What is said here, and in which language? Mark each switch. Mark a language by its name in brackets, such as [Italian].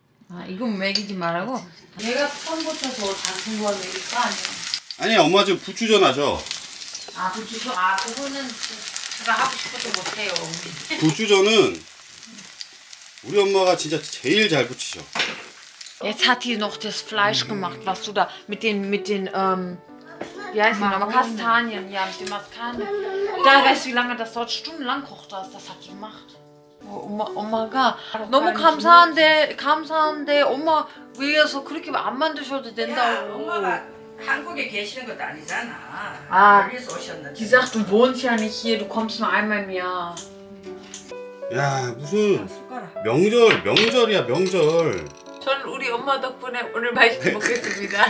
[Korean] 아, 이건 먹이지 말라고. 내가 처음부터 저 작은 거 먹일 거 아니야. 아니, 엄마 지금 부추전 하셔. 아, 부추전. 아, 그거는 제가 하고 싶어서 못해요. 부추전은 우리 엄마가 진짜 제일 잘 부치셔. [German] Jetzt hat die noch das Fleisch gemacht, was du da mit den wie heißt die noch? Kastanien, ja, mit den Maskanen. Da weißt du, wie lange das dort stundenlang kocht das. Das hat sie gemacht. [English] Oh, oh my god. [Korean] 너무 감사한데, 감사한데 엄마 위해서 그렇게 안 만드셔도 된다고. 야, 엄마가 한국에 계시는 것도 아니잖아. 아, 여기서 오셨는데. [German] Die sagt, du wohnst ja nicht hier. Du kommst nur einmal im Jahr. [Korean] 야, 무슨 명절, 명절이야, 명절. 전 우리 엄마 덕분에 오늘 맛있게 먹겠습니다.